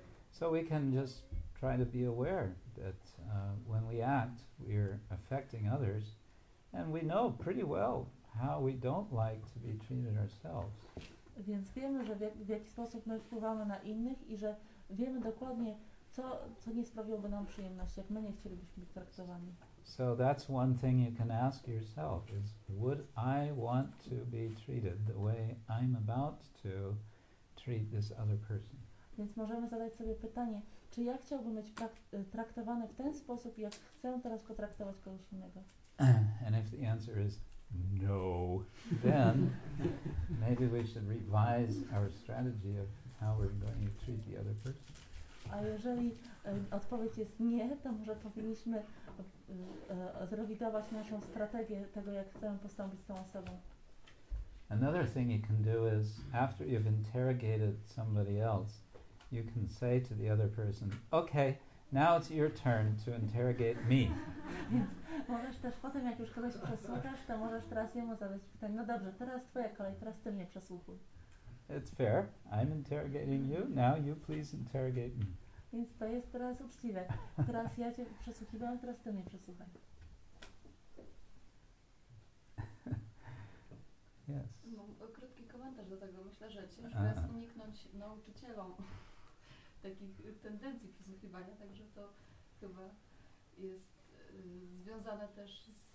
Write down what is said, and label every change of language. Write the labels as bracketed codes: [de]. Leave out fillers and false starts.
[en] So we can just try to be aware that when we act, we're affecting others, and we know pretty well how we don't like to be treated ourselves. [pl] Więc wiemy, że w jaki sposób my wpływamy na innych i że wiemy dokładnie, co nie sprawiłoby nam przyjemności, jak my nie chcielibyśmy być traktowani. [en] So that's one thing you can ask yourself, is would I want to be treated the way I'm about to treat this other person? [pl] Więc możemy zadać sobie pytanie, czy ja chciałbym być traktowany w ten sposób, jak chcę teraz potraktować kogoś innego? [en] And if the answer is no, then maybe we should revise our strategy of how we're going to treat the other person. [pl] A jeżeli odpowiedź jest nie, to może powinniśmy zrewidować naszą strategię tego, jak chcemy postąpić z tą osobą. [en] Another thing you can do is, after you've interrogated somebody else, you can say to the other person, okay, now it's your turn to interrogate me. [pl] Możesz też potem, jak już kogoś przesłuchasz, to możesz teraz jemu zadać pytanie, no dobrze, teraz twoja kolej, teraz ty mnie przesłuchuj. [en] It's fair, I'm interrogating you, now you please interrogate me. [pl] Więc to jest teraz uczciwe. Teraz ja cię przesłuchiwałam, teraz ty mnie przesłuchaj. [en] Yes. [pl] Krótki komentarz do tego. Myślę, że ciężko jest uniknąć nauczycielom takich tendencji przesłuchiwania, także to chyba jest związane też